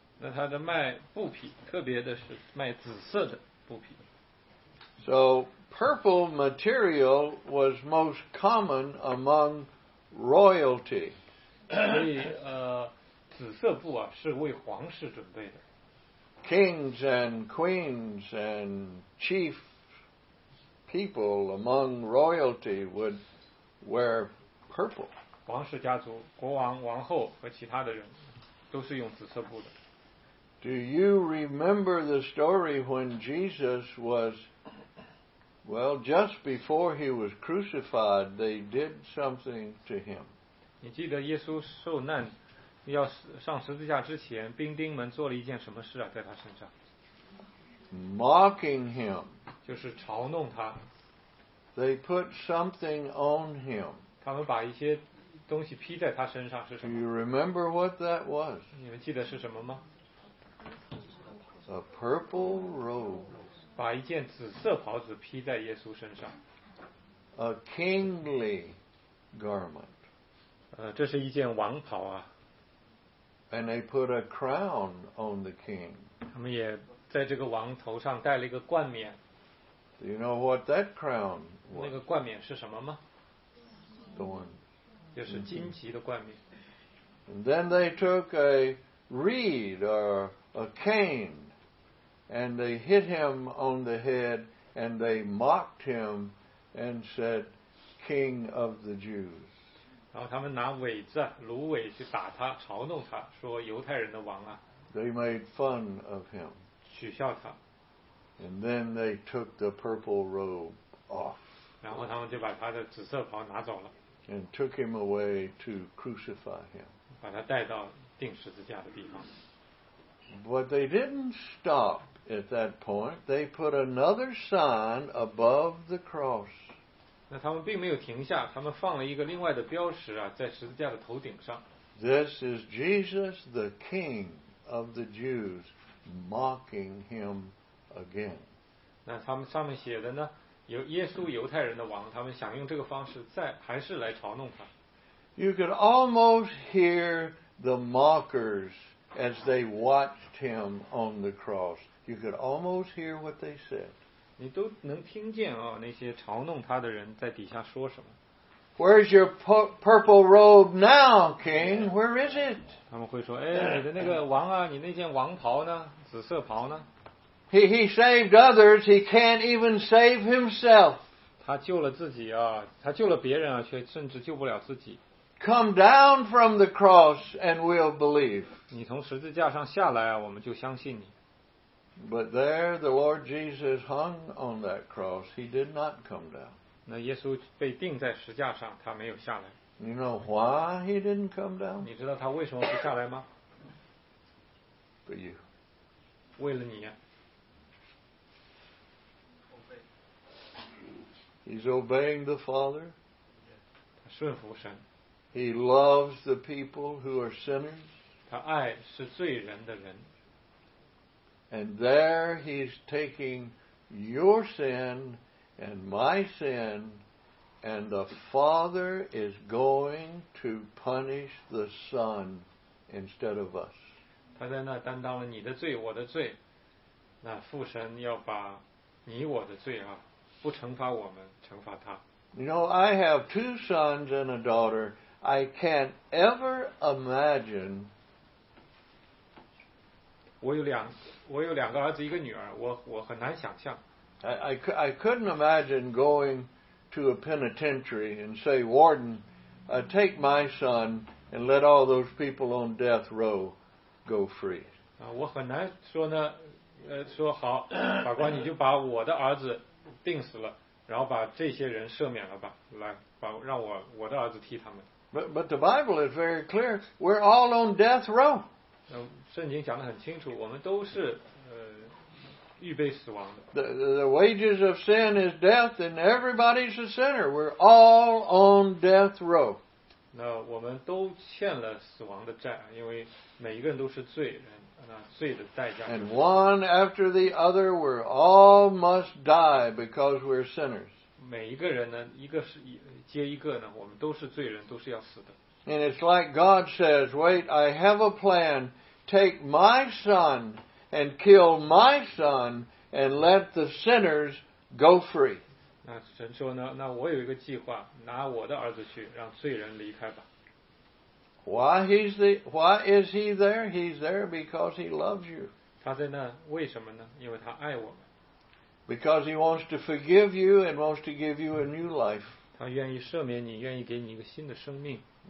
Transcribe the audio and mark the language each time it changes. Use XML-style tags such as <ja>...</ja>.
<zh>那她的卖布匹，特别的是卖紫色的布匹。</zh> <en>So,Purple material was most common among royalty.</en> <zh>所以紫色布啊是为皇室准备的。</zh> <en>Kings and queens and chief people among royalty would wear purple.</en> <zh>皇室家族，国王、王后和其他的人都是用紫色布的。</zh> <en>Do you remember the story when Jesus was Well, just before he was crucified, they did something to him.</en> <zh>你记得耶稣受难要上十字架之前，兵丁们做了一件什么事啊？在他身上</zh> <en>？Mocking him.</en> <zh>就是嘲弄他。</zh> <en>They put something on him.</en> <zh>他们把一些东西披在他身上，是什么</zh> <en>？Do you remember what that was?</en> <zh>你们记得是什么吗</zh> <en>？A purple robe.</en> <zh>把一件紫色袍子披在耶稣身上。</zh> <en>A kingly garment.</en> <zh>这是一件王袍啊。</zh> <en>And they put a crown on the king.</en> <zh>他们也在这个王头上戴了一个冠冕。</zh> <en>Do you know what that crown was?</en> <zh>那个冠冕是什么吗</zh> <en>？Thorn.</en> <zh>就是荆棘的冠冕。</zh> <en>And then they took a reed or a cane. And they hit him on the head, and they mocked him, and said, "King of the Jews."</en> <zh>然后他们拿苇子、芦苇去打他，嘲弄他，说犹太人的王啊。</zh> <en>They made fun of him.</en> <zh>取笑他。</zh> <en>And then they took the purple robe off.</en> <zh>然后他们就把他的紫色袍拿走了。</zh> <en>And took him away to crucify him.</en> <zh>把他带到钉十字架的地方。</zh> <en>But they didn't stop. At that point, they put another sign above the cross.</en> <zh>那他们并没有停下，他们放了一个另外的标识啊，在十字架的头顶上。</zh> <en>This is Jesus, the King of the Jews, mocking him again.</en> <zh>那他们上面写的呢，有耶稣犹太人的王，他们想用这个方式再还是来嘲弄他。</zh> <en>You could almost hear the mockers as they watched him on the cross. You could almost hear what they said.</en> <zh>你都能听见啊，那些嘲弄他的人在底下说什么。</zh> <en>Where's your purple robe now, King? Where is it?</en> <zh>他们会说，哎，你的那个王啊，你那件王袍呢？紫色袍呢</zh> <en>？He saved others. He can't even save himself.</en> <zh>他救了自己啊，他救了别人啊，却甚至救不了自己。</zh> <en>Come down from the cross, and we'll believe.</en> <zh>你从十字架上下来啊，我们就相信你。</zh> <en>But there, the Lord Jesus hung on that cross. He did not come down.</en> <zh>那耶稣被钉在十架上，他没有下来。</zh> <en>You know why he didn't come down?</en> <zh>你知道他为什么不下来吗</zh> <en>？For you.</en> <zh>为了你。</zh> <en>He's obeying the Father.</en> <zh>他顺服神。</zh> <en>He loves the people who are sinners.</en> <zh>他爱是罪人的人。</zh> <en>And there he's taking your sin and my sin, and the Father is going to punish the Son instead of us.</en> <zh>他在那担当了你的罪，我的罪。那父神要把你我的罪啊，不惩罚我们，惩罚他。</zh> <en>You know, I have two sons and a daughter. I can't ever imagine.</en> <zh>我有两个儿子，一个女儿，我很难想象。</zh> <en>I couldn't imagine going to a penitentiary and say, Warden, take my son and let all those people on death row go free.</en> <zh>我很难说呢，说好，法官你就把我的儿子定死了。然后把这些人赦免了吧，来，把让我的儿子替他们。</zh> <en>But the Bible is very clear. We're all on death row.</en> <zh>圣经讲得很清楚，我们都是预备死亡的。</zh> <en>The wages of sin is death, and everybody's a sinner. We're all on death row.</en> <zh>那我们都欠了死亡的债，因为每一个人都是罪人。</zh> <en>And one after the other, we all must die because we're sinners.</en> <zh>每一个人呢，一个是接一个呢，我们都是罪人，都是要死的。</zh> <en>And it's like God says, "Wait, I have a plan. Take my son and kill my son, and let the sinners go free."</en> <zh>那神说呢，那我有一个计划，拿我的儿子去，让罪人离开吧。</zh> <en>Why is he there? He's there because he loves you.</en> <zh>他在那为什么呢？因为他爱我们。</zh> <en>Because he wants to forgive you and wants to give you a new life.</en> <zh>他愿意赦免你，愿意给你一个新的生命。</zh>